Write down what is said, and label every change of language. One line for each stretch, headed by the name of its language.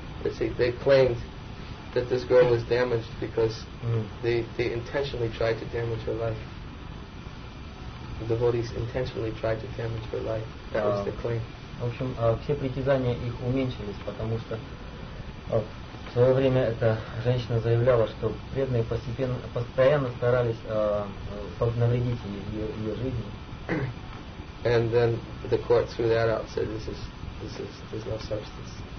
English: They claimed that this girl was damaged because they intentionally tried to damage her life. The devotees intentionally tried to damage her life. That was the claim.
Russian: В общем, все притязания их уменьшились, потому что... В свое время эта женщина заявляла, что преданные постоянно старались навредить ее жизни.
English: And then the court threw that out, said this is no substance.